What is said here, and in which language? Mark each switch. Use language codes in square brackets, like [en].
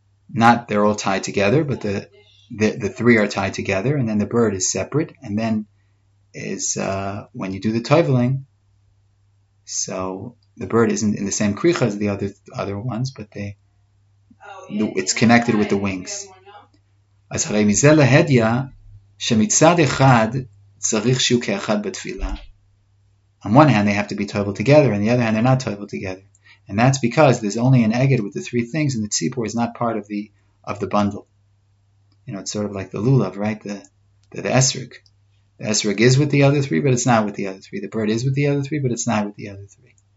[en] Not they're all tied together, but the three are tied together, and then the bird is separate, and then is when you do the toiveling, so the bird isn't in the same kricha as the other ones, but they it's connected with the wings. [he] אז הרי מזה להדיע שמצד אחד צריך שיהיו כאחד בתפילה. [en] On one hand, they have to be toivled together, on the other hand, they're not toivled together. And that's because there's only an eged with the three things, and the tzipor is not part of the bundle. You know, it's sort of like the lulav, right? The esrog. The esrog is with the other three, but it's not with the other three. The bird is with the other three, but it's not with the other three.